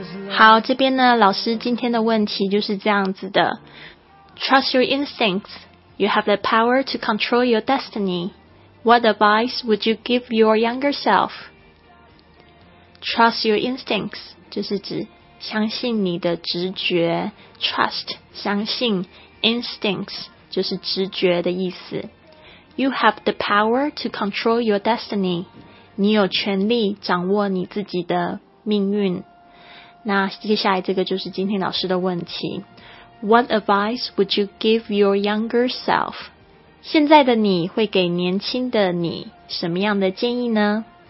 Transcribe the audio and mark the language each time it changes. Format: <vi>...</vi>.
<zh>好，这边呢，老师今天的问题就是这样子的。</zh> <en>Trust your instincts. You have the power to control your destiny. What advice would you give your younger self? Trust your instincts</en> <zh>就是指相信你的直觉。 Trust 相信 instincts 就是直觉的意思。</zh> <en>You have the power to control your destiny.</en> <zh>你有权利掌握你自己的命运。那接下来这个就是今天老师的问题。</zh> <en>What advice would you give your younger self?</en> <zh>现在的你会给年轻的你什么样的建议呢？</zh>